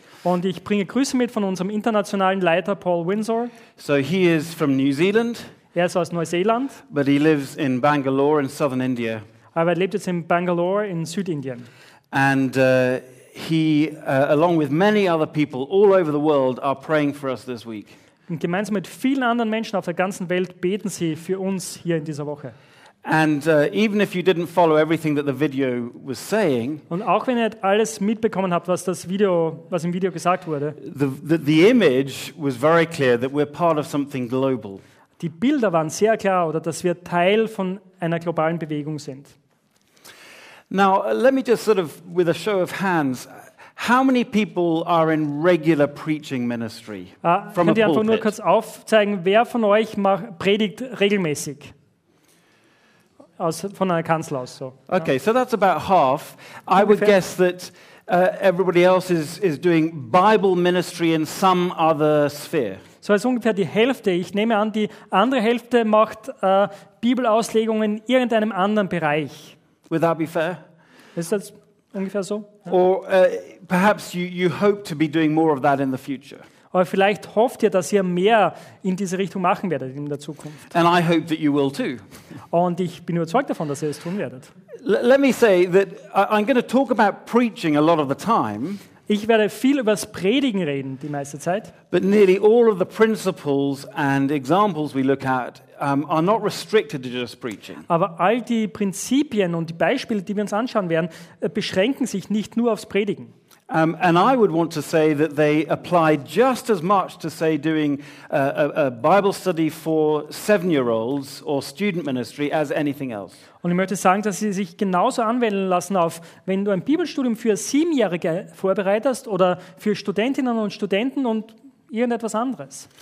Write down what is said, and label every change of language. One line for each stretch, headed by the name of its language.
German: Und ich bringe Grüße mit von unserem internationalen Leiter Paul Windsor.
English: So he is from New Zealand.
German: Er ist aus Neuseeland.
English: But he lives in Bangalore in southern India.
German: Aber er lebt jetzt in Bangalore in Südindien.
English: And along with many other people all over the world, are praying for us this week.
German: Und gemeinsam mit vielen anderen Menschen auf der ganzen Welt beten sie für uns hier in dieser Woche.
English: And even if you didn't follow everything that the video was saying,
German: und auch wenn ihr nicht alles mitbekommen habt, was im Video gesagt wurde,
English: the image was very clear that we're part of something global.
German: Die Bilder waren sehr klar, oder dass wir Teil von einer globalen Bewegung sind.
English: Now, let me just sort of, with a show of hands, how many people are in regular preaching ministry from a pulpit?
German: Könnt ihr einfach nur kurz aufzeigen, wer von euch predigt regelmäßig? Von einer Kanzel aus, so.
English: Okay, so that's about half. I would guess that everybody else is doing Bible ministry in some other sphere.
German: So, das ist ungefähr die Hälfte. Ich nehme an, die andere Hälfte macht Bibelauslegung in irgendeinem anderen Bereich.
English: Would that be fair?
German: Ist das ungefähr so?
English: Or perhaps you hope to be doing more of that in the future.
German: Oder vielleicht hofft ihr, dass ihr mehr in diese Richtung machen werdet in der Zukunft.
English: And I hope that you will too.
German: Und ich bin überzeugt davon, dass ihr es tun werdet.
English: Let me say that I'm going to talk about preaching a lot of the time.
German: Ich werde viel über das Predigen reden die meiste Zeit.
English: But nearly all of the principles and examples we look at are not restricted to just preaching.
German: Aber all die Prinzipien und die Beispiele, die wir uns anschauen werden, beschränken sich nicht nur aufs Predigen.
English: And I would want to say that they apply just as much to, say, doing a Bible study for seven-year-olds or student ministry as anything else.
German: Und ich möchte sagen, dass sie sich genauso anwenden lassen auf, wenn du ein Bibelstudium für Siebenjährige vorbereitest oder für Studentinnen und Studenten und irgendetwas anderes.